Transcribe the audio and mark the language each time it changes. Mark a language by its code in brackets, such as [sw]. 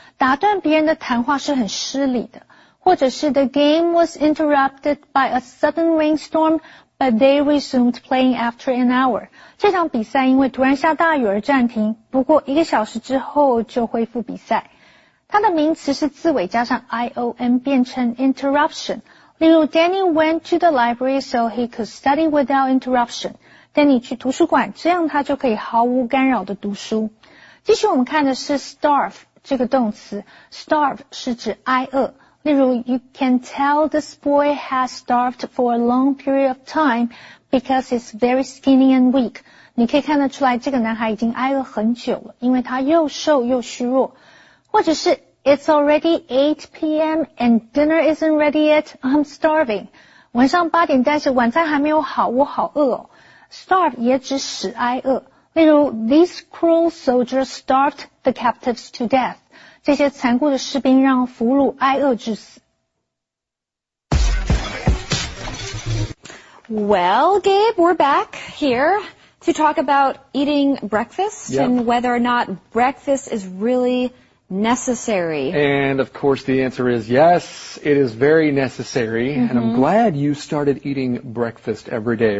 [zh] 打断别人的谈话是很失礼的。或者是 [en] ,the game was interrupted by a sudden rainstorm,But they resumed playing after an hour. [zh] 这场比赛因为突然下大雨而暂停，不过一个小时之后就恢复比赛。它的名词是字尾加上 ion 变成 interruption。例如 [en] ,Danny went to the library so he could study without interruption. [zh] Danny 去图书馆，这样他就可以毫无干扰地读书。继续我们看的是 starve 这个动词。starve 是指挨饿。例如 [en] ,you can tell this boy has starved for a long period of time because he's very skinny and weak. [zh] 你可以看得出来这个男孩已经挨了很久了因为他又瘦又虚弱。或者是 [en] ,it's already 8 p.m. and dinner isn't ready yet, I'm starving. [zh] 晚上八点但是晚餐还没有好我好饿哦。 starve 也指使挨饿。例如 [en] ,these cruel soldiers starved the captives to death. [zh] 这些残酷的士兵让俘虏挨饿致死。 [en] Well, Gabe, we're back here to talk about eating breakfast、 yep. and whether or not breakfast is really necessary. And of course, the answer is yes, it is very necessary.、 Mm-hmm. And I'm glad you started eating breakfast every day.